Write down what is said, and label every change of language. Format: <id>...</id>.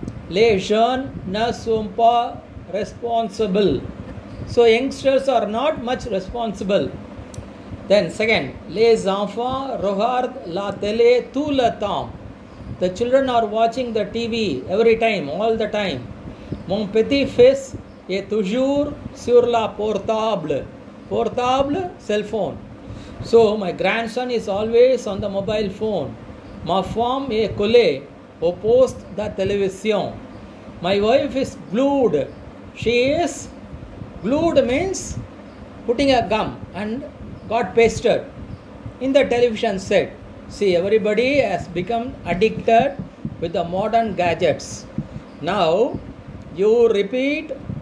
<fr>Les jeunes ne sont pas responsible.</fr> <en>So youngsters are not much responsible. Then second,</en> <fr>les enfants regardent la télé tout le temps.</fr> <en>The children are watching the TV every time, all the time.</en> <fr>Mon petit fils est toujours sur la portable.</fr> <en>Portable, cell phone. So my grandson is always on the mobile phone.</en> <fr>Ma femme est collée au poste de télévision.</fr> <en>My wife is glued. She is glued means putting a gum and got pasted in the television set. See, everybody has become addicted with the modern gadgets. Now you repeat</en>